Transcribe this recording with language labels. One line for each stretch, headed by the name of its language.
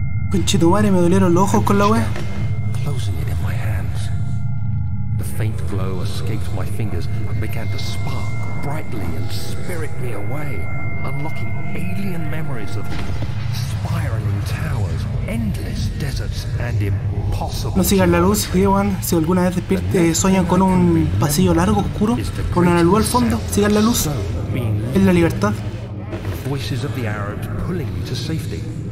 Spanish: Conchetumare, me dolieron los ojos con la wea.
English: Closing it in my hands. The faint glow escaped my fingers and began to spark brightly and spirit me away, unlocking alien memories of spiraling towers, endless deserts and impossible.
Spanish: No sigan la luz, Ewan. Si alguna vez despierte, sueñan con un pasillo largo, oscuro, con una luz al fondo, sigan la luz. Es la libertad.
English: The voices of the Arabs pulling me to safety.